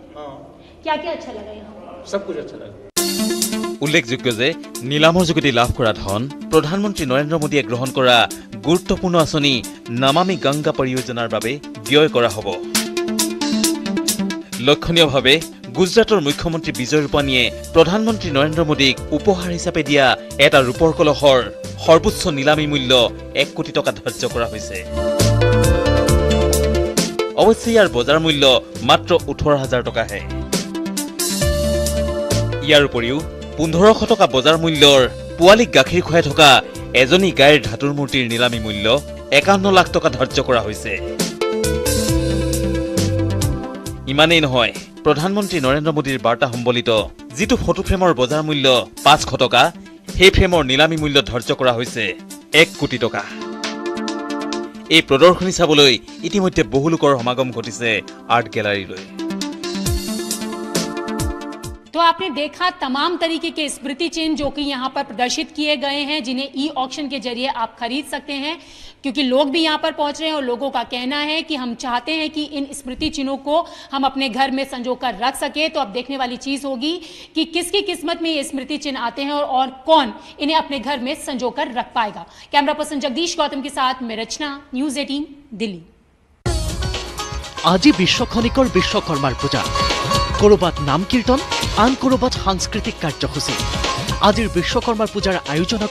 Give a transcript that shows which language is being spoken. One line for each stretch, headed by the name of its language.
Hindi: हाँ। क्या क्या अच्छा लगा यहाँ? सब कुछ अच्छा लगा।
Assamese: উল্লেখযোগ্য যে নিলামৰ যোগেদি লাভ কৰা ধন প্ৰধানমন্ত্ৰী নৰেন্দ্ৰ মোদীয়ে গ্ৰহণ কৰা গুৰুত্বপূৰ্ণ আঁচনি নমামি গংগা পৰিয়োজনাৰ বাবে ব্যয় কৰা হ'ব। লক্ষণীয়ভাৱে গুজৰাটৰ মুখ্যমন্ত্ৰী বিজয় ৰূপানীয়ে প্ৰধানমন্ত্ৰী নৰেন্দ্ৰ মোদীক উপহাৰ হিচাপে দিয়া এটা ৰূপৰ কলহৰ সৰ্বোচ্চ নিলামী মূল্য 1 কোটি টকা ধাৰ্য কৰা হৈছে। অৱশ্যে ইয়াৰ বজাৰ মূল্য মাত্ৰ 18,000 টকাহে। ইয়াৰ উপৰিও 1500 টকা বজাৰ মূল্যৰ পোৱালিক গাখীৰ খুৱাই থকা এজনী গাইৰ ধাতুৰ মূৰ্তিৰ নিলামী মূল্য 51 লাখ টকা ধাৰ্য কৰা হৈছে। ইমানেই নহয়, প্রধানমন্ত্রী নরেন্দ্র মোদীর বার্তা সম্বলিত যিটো ফটো ফ্রেমৰ বজাৰ মূল্য 500 টকা, সেই ফ্রেমৰ নিলামী মূল্য ধৰ্য কৰা হৈছে 1 কোটি টকা। এই প্রদর্শনী চাবলৈ ইতিমধ্যে বহু লোকৰ সমাগম ঘটিছে আর্ট গ্যালারিলৈ।
Hindi: तो आपने देखा तमाम तरीके के स्मृति चिन्ह जो कि यहाँ पर प्रदर्शित किए गए हैं, जिन्हें ई ऑक्शन के जरिए आप खरीद सकते हैं, क्योंकि लोग भी यहाँ पर पहुंच रहे हैं और लोगों का कहना है कि हम चाहते हैं कि इन स्मृति चिन्हों को हम अपने घर में संजोकर रख सके। तो अब देखने वाली चीज होगी कि किसकी किस्मत में ये स्मृति चिन्ह आते हैं और कौन इन्हें अपने घर में संजोकर रख पाएगा। कैमरा पर्सन जगदीश गौतम के साथ मैं रचना, News18 दिल्ली। आज विश्व खनिक और विश्वकर्मा पूजा,
Assamese: কৰবাত নাম কীৰ্তন, আন কৰবাত সাংস্কৃতিক কাৰ্যসূচী। আজিৰ বিশ্বকৰ্মাৰ পূজাৰ আয়োজনক